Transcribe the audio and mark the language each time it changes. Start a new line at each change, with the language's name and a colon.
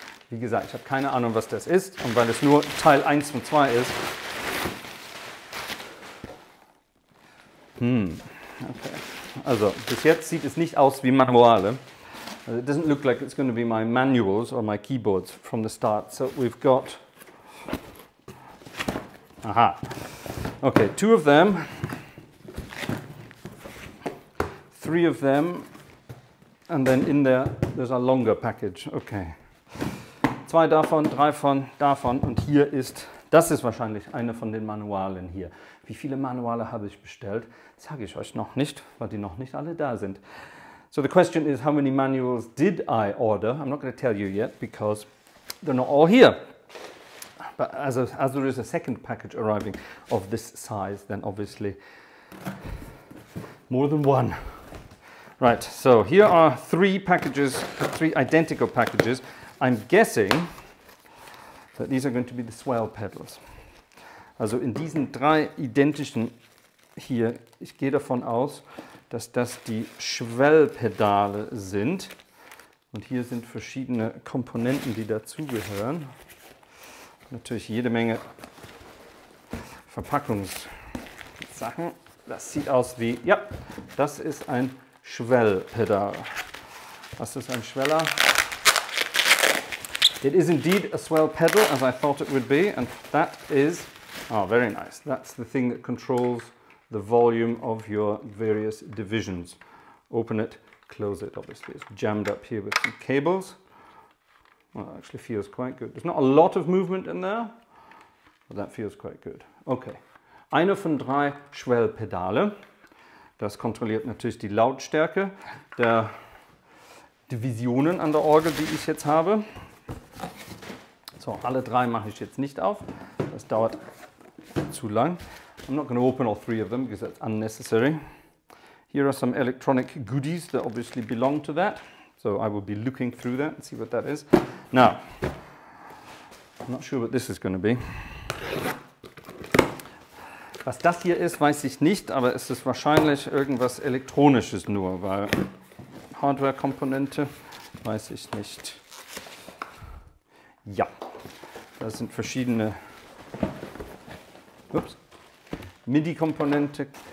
German: Wie gesagt, ich habe keine Ahnung, was das ist. Und weil es nur Teil 1 von 2 ist. Okay. Also, bis jetzt sieht es nicht aus wie Manuale.
English: It doesn't look like it's going to be my manuals or my keyboards from the start. So we've got... Aha. Okay, two of them. Three of them. And then in there, there's a longer package.
German: Okay. Zwei davon, drei von davon. Und hier ist, das ist wahrscheinlich eine von den Manualen hier. Wie viele Manuale habe ich bestellt? Sage ich euch noch nicht, weil die noch nicht alle da sind.
English: So the question is, how many manuals did I order? I'm not going to tell you yet, because they're not all here. But as there is a second package arriving of this size, then obviously more than one. Right, so here are three packages, three identical packages. I'm guessing that these are going to be the swell pedals.
German: Also in diesen drei identischen hier, ich gehe davon aus, dass das die Schwellpedale sind. Und hier sind verschiedene Komponenten, die dazugehören. Natürlich jede Menge Verpackungssachen. Das sieht aus wie, ja, das ist ein Schwellpedal. Was ist ein Schweller?
English: It is indeed a swell pedal, as I thought it would be, and that is, oh, very nice. That's the thing that controls the volume of your various divisions. Open it, close it, obviously. It's jammed up here with some cables. Well, that actually feels quite good. There's not a lot of movement in there, but that feels quite good.
German: Okay. Eine von drei Schwellpedale. Das kontrolliert natürlich die Lautstärke der Divisionen an der Orgel, die ich jetzt habe. So, alle drei mache ich jetzt nicht auf. Das dauert zu lang.
English: I'm not going to open all three of them because that's unnecessary. Here are some electronic goodies that obviously belong to that. So I will be looking through that and see what that is. Now, I'm not sure what this is going to be.
German: Was das hier ist, weiß ich nicht, aber es ist wahrscheinlich irgendwas Elektronisches nur, weil Hardware-Komponente, weiß ich nicht. Ja, das sind verschiedene MIDI-Komponente.